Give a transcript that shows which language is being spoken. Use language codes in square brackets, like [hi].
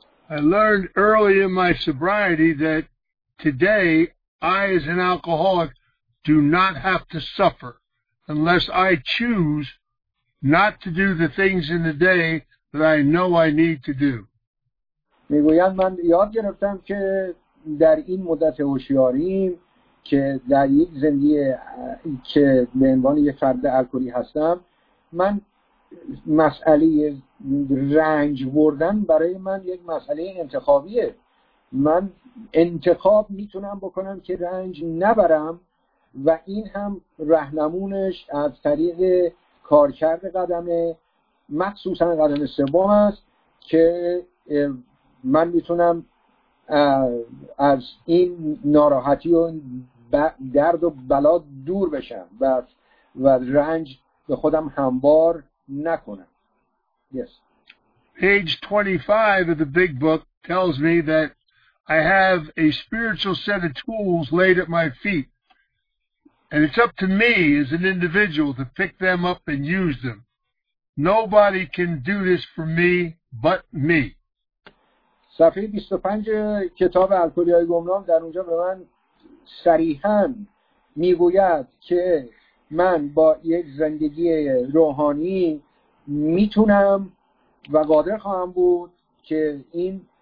[en] I learned early in my sobriety that today I as an alcoholic do not have to suffer unless I choose not to do the things in the day that I know I need to do. [fa] میگویند من یاد گرفتم که در این مدت هوشیاریم که در یک زندگی که به عنوان یک فرد الکلی هستم من مسئله رنج بردن برای من یک مسئله انتخابیه. من انتخاب میتونم بکنم که رنج نبرم و این هم رهنمونش از طریق کارکرد قدم مخصوصا قدم سوم است که من میتونم از این ناراحتی و درد و بلا دور بشم و رنج به خودم هموار نکنم. [en] Yes. Page 25 of the big book tells me that I have a spiritual set of tools laid at my feet, and it's up to me as an individual to pick them up and use them. Nobody can do this for me but me. [fa] صفحه 25 کتاب الکلی های گمنام در اونجا به من صریحا میگوید که من با یک زندگی روحانی میتونم و قادر خواهم بود که این